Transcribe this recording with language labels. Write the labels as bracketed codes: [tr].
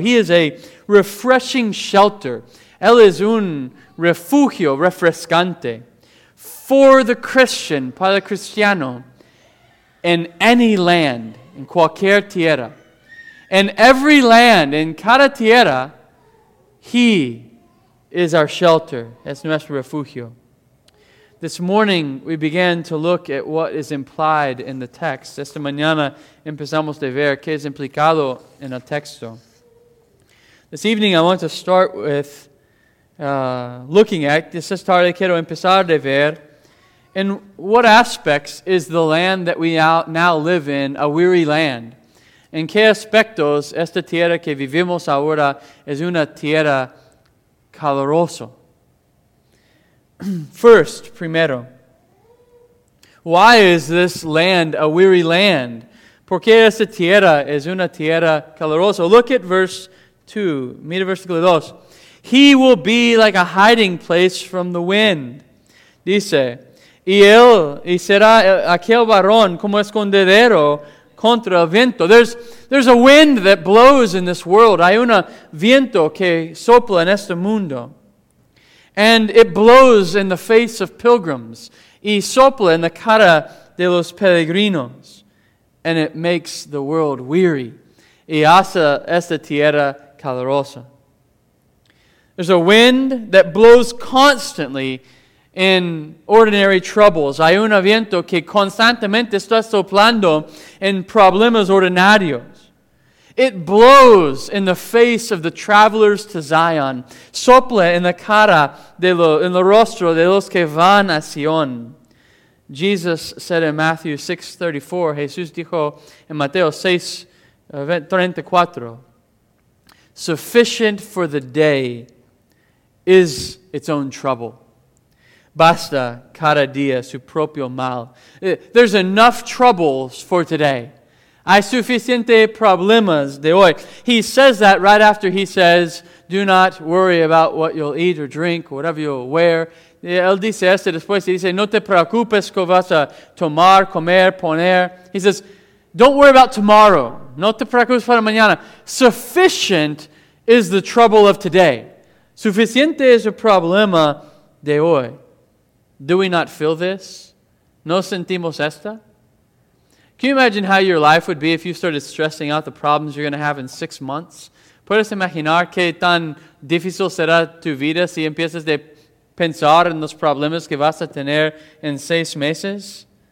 [en] He is a refreshing shelter. [es] Él es un refugio refrescante [en] for the Christian, [es] para el cristiano, [en] in any land, in [es] cualquier tierra. [en] In every land, in [es] cada tierra, [en] He is our shelter, [es] es nuestro refugio. [en] This morning, we began to look at what is implied in the text. [es] Esta mañana empezamos a ver qué es implicado en el texto. [en] This evening, I want to start with looking at, this is tarde, [es] quiero empezar de ver, [en] in what aspects is the land that we now live in a weary land? [es] En qué aspectos esta tierra que vivimos ahora es una tierra calurosa? [en] First, primero, why is this land a weary land? [es] ¿Por qué esta tierra es una tierra calurosa? [en] Look at verse 2, [es] mira versículo 2. [en] He will be like a hiding place from the wind. [es] Dice, y él y será aquel varón como escondedero contra el viento. [en] There's a wind that blows in this world. [es] Hay un viento que sopla en este mundo. [en] And it blows in the face of pilgrims. [es] Y sopla en la cara de los peregrinos. [en] And it makes the world weary. [es] Y hace esta tierra calurosa. [en] There's a wind that blows constantly in ordinary troubles. [es] Hay un viento que constantemente está soplando en problemas ordinarios. [en] It blows in the face of the travelers to Zion. [es] Sopla en la cara, en el rostro de los que van a Sion. [en] Jesus said in Matthew 6:34, [es] Jesús dijo en Mateo 6:34, [en] sufficient for the day is its own trouble. [es] Basta cada día su propio mal. [en] There's enough troubles for today. [es] Hay suficiente problemas de hoy. [en] He says that right after he says, do not worry about what you'll eat or drink, or whatever you'll wear. [es] Él dice esto después. He dice, no te preocupes que vas a tomar, comer, poner. [en] He says, don't worry about tomorrow. [es] No te preocupes para mañana. [en] Sufficient is the trouble of today. [es] Suficiente es el problema de hoy. [en] Do we not feel this? [es] ¿No sentimos esta? [en] Can you imagine how your life would be if you started stressing out the problems you're going to have in 6 months? [es] ¿Puedes imaginar qué tan difícil será tu vida si empiezas a pensar en los problemas que vas a tener en 6 meses?